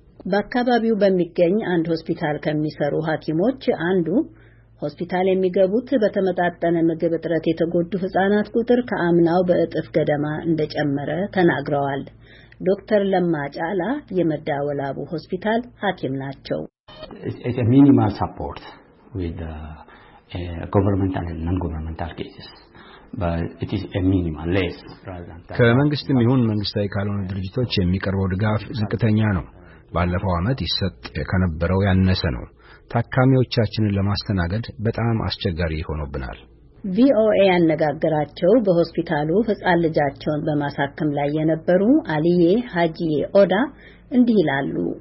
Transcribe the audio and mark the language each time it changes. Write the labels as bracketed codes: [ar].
[am] በአካባቢው በሚገኝ አንድ ሆስፒታል ከሚሰሩ ሐኪሞች አንዱ ሆስፒታል የሚገቡት በተመጣጠነ ምግብ እጥረት የተጎዱ ህፃናት ቁጥር ከአምናው በእጥፍ ገደማ እንደጨመረ ተናግረዋል። ዶክተር ለማ ጫላ የመዳወላቡ ሆስፒታል ሐኪም ናቸው። [en] It's a minimal support with the governmental and non-governmental cases. But it is a minimal less. [am] ከመንግስትም ይሁን መንግስታዊ ካልሆነ ድርጅቶች የሚቀርበው ድጋፍ ዝቅተኛ ነው። ባለፈው አመት ይሰጥ ከነበረው ያነሰ ነው። ታካሚዎቻችንን ለማስተናገድ በጣም አስቸጋሪ ሆኖብናል። VOA ያነጋገራቸው በሆስፒታሉ ህፃን ልጃቸውን በማሳከም ላይ የነበሩ አሊዬ ሀጂዬ ኦዳ እንዲህ ይላሉ።